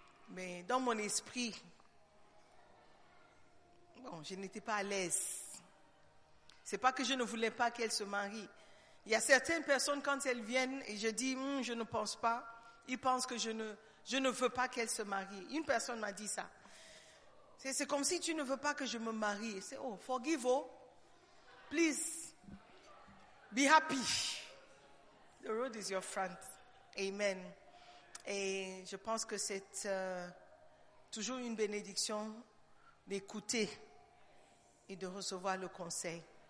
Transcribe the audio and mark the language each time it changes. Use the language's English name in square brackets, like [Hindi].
[French] Mais dans mon esprit, bon, je n'étais pas à l'aise. C'est pas que je ne voulais pas qu'elle se marie. Il y a certaines personnes, quand elles viennent, et je dis, je ne pense pas, ils pensent que je ne veux pas qu'elle se marie. Une personne m'a dit ça. C'est comme si tu ne veux pas que je me marie. C'est, [English] oh, forgive, oh, please, be happy. The road is your friend. Amen. [French] Et je pense que c'est toujours une bénédiction d'écouter et de recevoir le conseil.